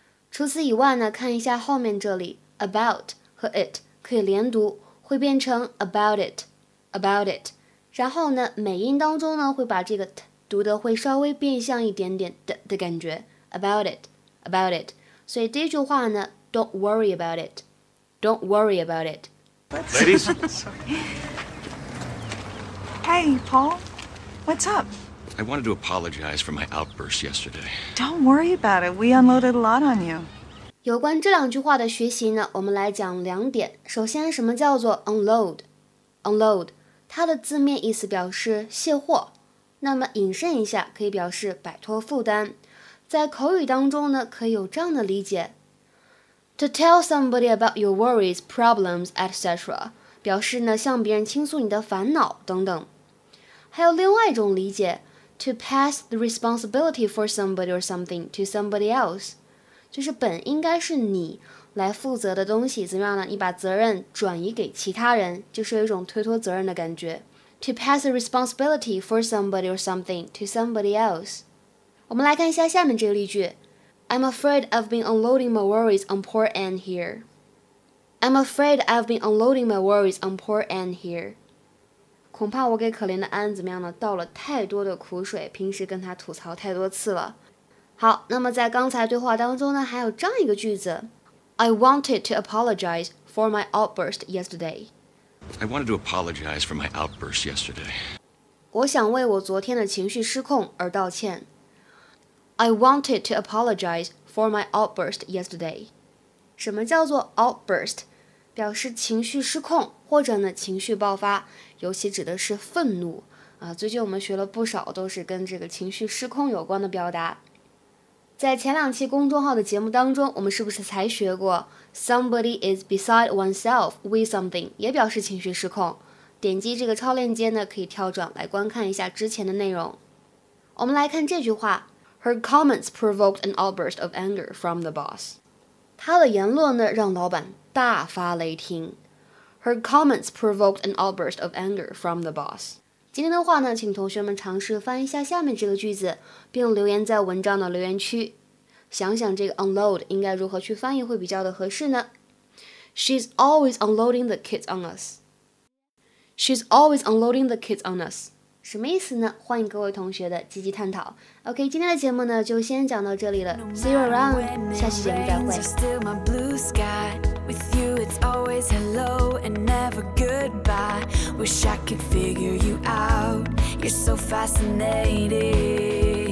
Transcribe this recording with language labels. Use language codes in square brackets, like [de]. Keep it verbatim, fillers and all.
[zh] 除此以外呢，看一下后面这里 about 和 it 可以连读，会变成 [en] about it about it。 [zh] 然后呢，美音当中呢，会把这个 t 读的会稍微变向一点点的的感觉 [en] about it about it。 [zh] 所以第一句话呢 [en] ，Don't worry about it don't worry about it。 Ladies 。 Hey, Paul, what's up? I wanted to apologize for my outburst yesterday. Don't worry about it. We unloaded a lot on you. [zh] 有关这两句话的学习呢，我们来讲两点。首先，什么叫做 unload? Unload, 它的字面意思表示卸货。那么引申一下，可以表示摆脱负担。在口语当中呢，可以有这样的理解 [en] ：To tell somebody about your worries, problems, et cetera. [zh] 表示呢，向别人倾诉你的烦恼等等。还有另外一种理解 ， [en] to pass the responsibility for somebody or something to somebody else， [zh] 就是本应该是你来负责的东西，怎么样呢？你把责任转移给其他人，就是有一种推脱责任的感觉。 [en] To pass the responsibility for somebody or something to somebody else。 [zh] 我们来看一下下面这个例句 [en] ：I'm afraid I've been unloading my worries on poor Anne here. I'm afraid I've been unloading my worries on poor Anne here. [zh] 恐怕我给可怜的安怎么样呢？倒了太多的苦水，平时跟他吐槽太多次了。好，那么在刚才对话当中呢，还有这样一个句子 [en] ：I wanted to apologize for my outburst yesterday. I wanted to apologize for my outburst yesterday. [zh] 我想为我昨天的情绪失控而道歉。 [en] I wanted to apologize for my outburst yesterday. [zh] 什么叫做 outburst？ 表示情绪失控或者呢情绪爆发，尤其指的是愤怒啊。最近我们学了不少都是跟这个情绪失控有关的表达。在前两期公众号的节目当中，我们是不是才学过 [en] somebody is beside oneself with something [zh] 也表示情绪失控。点击这个超链接呢，可以跳转来观看一下之前的内容。我们来看这句话 [en] Her comments provoked an outburst of anger from the boss。 [zh] 她的言论呢让老板大发雷霆。 [en] Her comments provoked an outburst of anger from the boss. [zh] 今天的话呢，请同学们尝试翻译一下下面这个句子，并留言在文章的留言区。想想这个 unload 应该如何去翻译会比较的合适呢？ [en] She's always unloading the kids on us. She's always unloading the kids on us. [zh] 什么意思呢？欢迎各位同学的积极探讨。OK， 今天的节目呢就先讲到这里了。 [en] See you around， [zh] 下期节目再会。 [en] With you it's always hello and never goodbye. Wish I could figure you out. You're so fascinating.